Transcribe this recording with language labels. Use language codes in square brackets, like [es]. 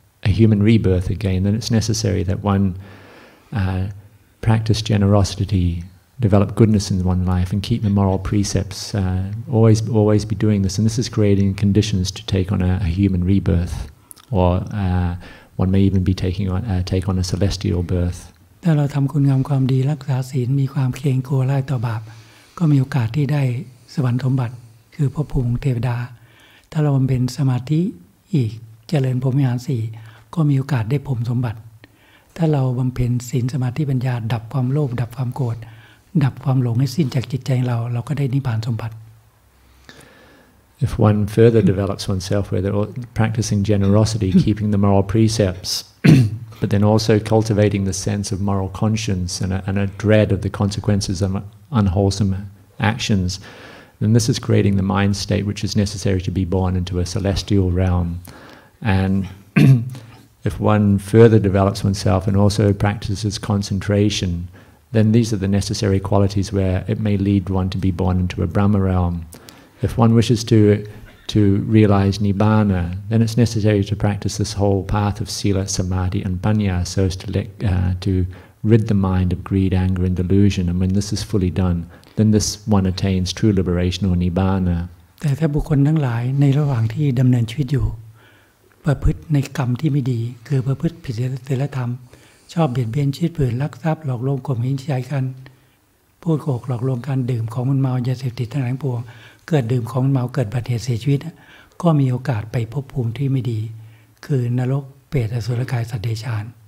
[en] human rebirth again, then it's necessary that one practice generosity, develop goodness in one life, and keep the moral precepts. Always be doing this, and this is creating conditions to take on a human rebirth, or one may even be take on a celestial birth. [th] ถ้าเราทำคุณงามความดีรักษาศีลมีความเกรงกลัวร้ายต่อบาปก็มีโอกาสที่ได้สวรรคสมบัติคือพระภูมิเทวดาถ้าเราบำเพ็ญสมาธิอีกเจริญพรหมวิหาร4ก็มีโอกาสได้พรหมสมบัติถ้าเราบำเพ็ญศีลสมาธิปัญญาดับความโลภดับความโกรธดับความหลงให้สิ้นจากจิตใจเราเราก็ได้นิพพานสมบัติ [en] If one further develops oneself where they're practicing generosity keeping the moral precepts but then also cultivating the sense of moral conscience and a dread of the consequences of unwholesome actions, then this is creating the mind state which is necessary to be born into a celestial realm. And if one further develops oneself and also practices concentration, then these are the necessary qualities where it may lead one to be born into a Brahma realm. If one wishes to realize Nibbana, then it's necessary to practice this whole path of Sila, Samadhi and Panya so as to rid the mind of greed, anger and delusion. And when this is fully done, then this one attains true liberation or Nibbana. [th] แต่ถ้าบุคคลทั้งหลายในระหว่างที่ดำเนินชีวิตอยู่ประพฤติในกรรมที่ไม่ดีคือประพฤติผิดศีลธรรมชอบเบียดเบียนชีวิตผืนลักทรัพย์หลอกลวงข่มเหงใจกันพูดโกหกหลอกลวงกันดื่มของมึนเมายาเสพติดทั้งหลายปวงเกิดดื่มของเมาเกิดบาดเจ็บเสียชีวิตก็มีโอกาสไปพบภูมิที่ไม่ดีคือนรกเปรตอสุรกายสัตว์เดรัจฉาน